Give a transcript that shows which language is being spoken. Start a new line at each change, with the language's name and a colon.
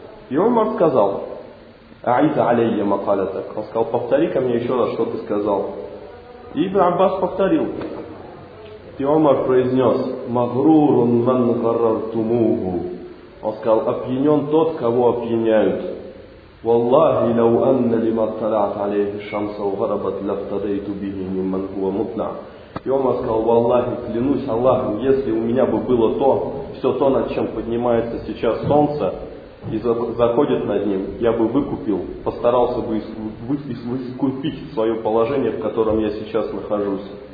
Russian: И Умар сказал,
Arabic: «Аиза алейя макалятак».
Russian: Он сказал, «Повтори-ка мне еще раз, что ты сказал». И Ибн Аббас повторил. И Умар произнес,
Arabic: «Магрурун ман гарартумугу».
Russian: Он сказал, «Опьянен тот, кого опьяняют».
Arabic: والله لو أن لما اطلعت عليه الشمس وغربت لفتديت به ممن هو مطلع.
Russian: И он сказал: «Валлахи, клянусь Аллахом, если у меня бы было то, все то, над чем поднимается сейчас солнце и заходит над ним, я бы выкупил, постарался бы искупить свое положение, в котором я сейчас нахожусь».